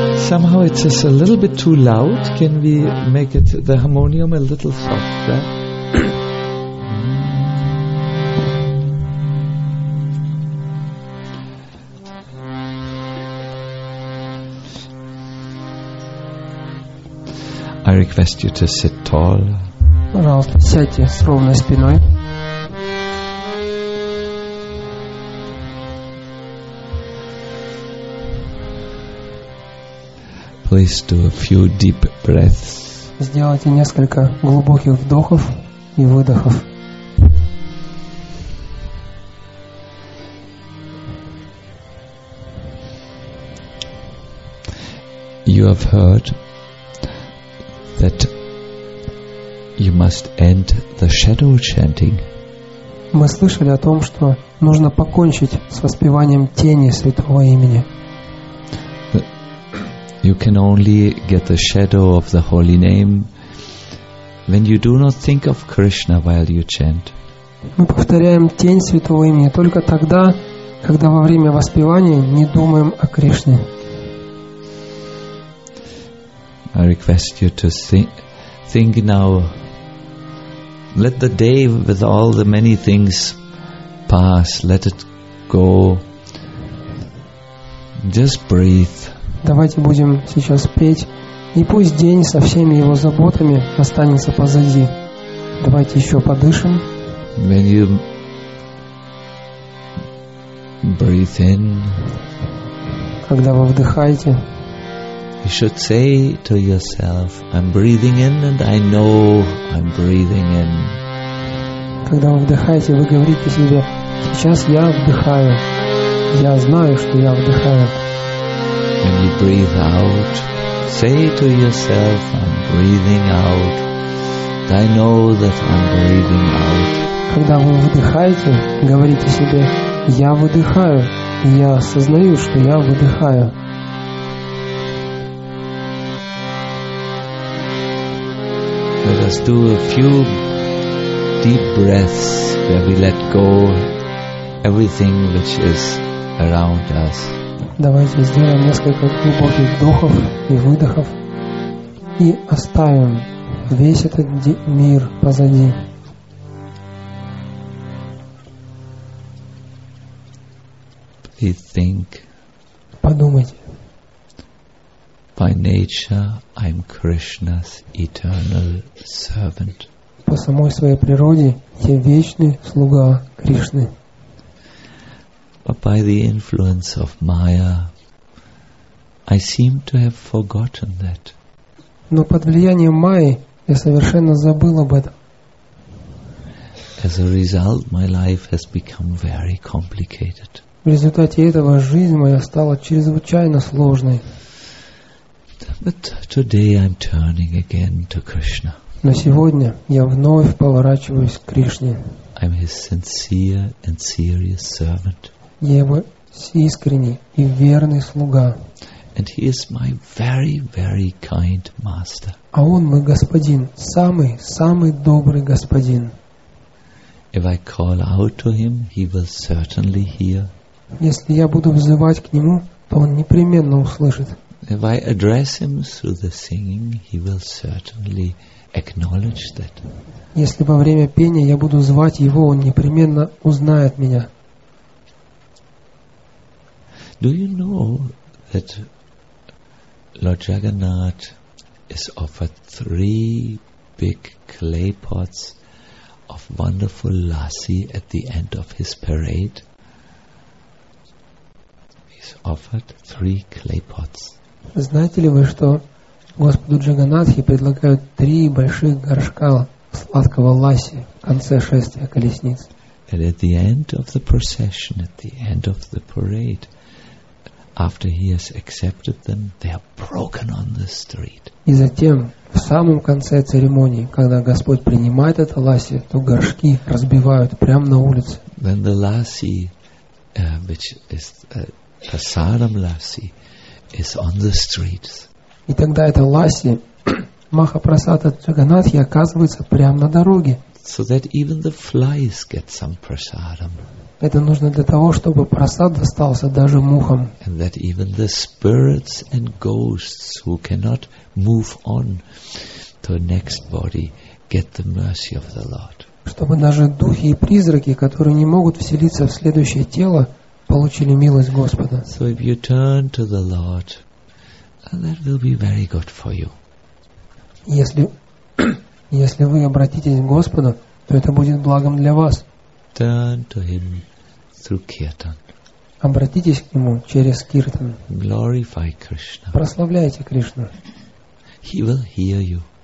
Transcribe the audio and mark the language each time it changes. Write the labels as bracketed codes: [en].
[en] somehow it's just a little bit too loud. Can we make it the harmonium a little softer? I request you to sit tall. [ru] Пожалуйста, сядьте с ровной спиной. [en] Please do a few deep breaths. [ru] Сделайте несколько глубоких вдохов и выдохов. [en] You have heard that you must end the shadow chanting. [ru] Мы слышали о том, что нужно покончить с воспеванием тени святого имени. [en] You can only get the shadow of the holy name when you do not think of Krishna while you chant. [ru] Мы повторяем тень святого имени только тогда, когда во время воспевания не думаем о Кришне. [en] I request you to think now. Let the day with all the many things pass. Let it go. Just breathe. [ru] Давайте будем сейчас петь. И пусть день со всеми его заботами останется позади. Давайте еще подышим. [en] When you breathe in, [ru] когда вы вдыхаете, [en] you should say to yourself, I'm breathing in and I know I'm breathing in. [ru] Когда вы вдыхаете, вы говорите себе, сейчас я вдыхаю. Я знаю, что я вдыхаю. [en] When you breathe out, say to yourself, I'm breathing out. I know that I'm breathing out. [ru] Когда вы вдыхаете, говорите себе, я выдыхаю. Я осознаю, что я выдыхаю. [en] Let us do a few deep breaths where we let go everything which is around us. [ru] Давайте сделаем несколько глубоких вдохов и выдохов и оставим весь этот мир позади. [en] We think. [ru] Подумайте. [en] By nature, I'm Krishna's eternal servant. [ru] По самой своей природе я вечный слуга Кришны. [en] But by the influence of Maya, I seem to have forgotten that. [ru] Но под влиянием Майи я совершенно забыл об этом. [en] As a result, my life has become very complicated. [ru] В результате этого жизнь моя стала чрезвычайно сложной. [en] But today I'm turning again to Krishna. [ru] Но сегодня я вновь поворачиваюсь к Кришне. [en] I'm his sincere and serious servant. [ru] Я его искренний и верный слуга. [en] And he is my very, very kind master. [ru] А он мой господин, самый-самый добрый господин. [en] If I call out to him, he will certainly hear. [ru] Если я буду взывать к нему, то он непременно услышит. [en] If I address him through the singing, he will certainly acknowledge that. [ru] Если во время пения я буду звать его, он непременно узнает меня. [en] Do you know that Lord Jagannath is offered 3 big clay pots of wonderful lassi at the end of his parade? He's offered 3 clay pots. [ru] Знаете ли вы, что Господу Джаганнатхе предлагают 3 больших горшка сладкого ласси в конце шествия колесниц? [en] And at the end of the procession, at the end of the parade, after he has accepted them, they are broken on the street. [ru] И затем, в самом конце церемонии, когда Господь принимает это ласси, то горшки разбивают прямо на улице. [en] Then the lassi, which is prasadam lassi, is on the streets. [ru] И тогда это ласси, Махапрасад от Джаганнатхи, оказывается прямо на дороге. [en] So that even the flies get some prasadam. [ru] Это нужно для того, чтобы просад достался даже мухам. [en] And that even the spirits and ghosts who cannot move on to the next body get the mercy of the Lord. [ru] Чтобы даже духи и призраки, которые не могут вселиться в следующее тело, получили милость Господа. [en] So if you turn to the Lord, that will be very good for you. [ru] Если вы обратитесь к Господу, то это будет благом для вас. [en] Turn to Him through kirtan. [ru] Обратитесь к Нему через киртан. [en] Glorify Krishna. [ru] Прославляйте Кришну. [en] He will hear you.